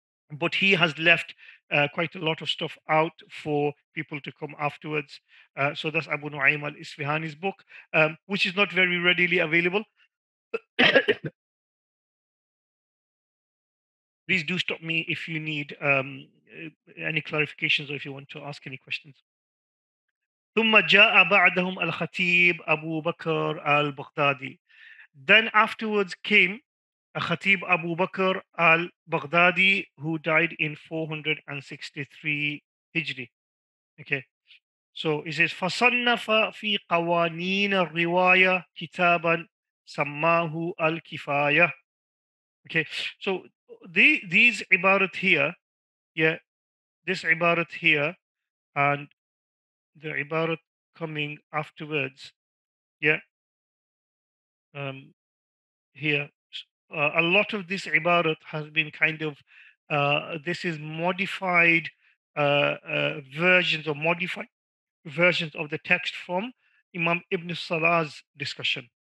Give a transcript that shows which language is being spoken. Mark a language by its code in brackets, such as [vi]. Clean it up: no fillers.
[en] But he has left quite a lot of stuff out for people to come afterwards. So that's Abu Nu'aym al-Isfahani's book, which is not very readily available. Please do stop me if you need any clarifications or if you want to ask any questions. [ar] ثم جاء بعدهم الخطيب أبو بكر البغدادي. [en] Then afterwards came Khatib Abu Bakr al-Baghdadi, who died in 463 Hijri. Okay, so it says [ar] فَصَنَّفَ فِي قَوَانِينَ الرِّوَايَةِ كِتَابًا سَمَّاهُ الْكِفَايَةِ. [en] Okay, so these ibarat here, yeah, this ibarat here, and the ibarat coming afterwards, yeah, here. A lot of this ibarat has been kind of, this is modified versions or modified versions of the text from Imam Ibn Salah's discussion.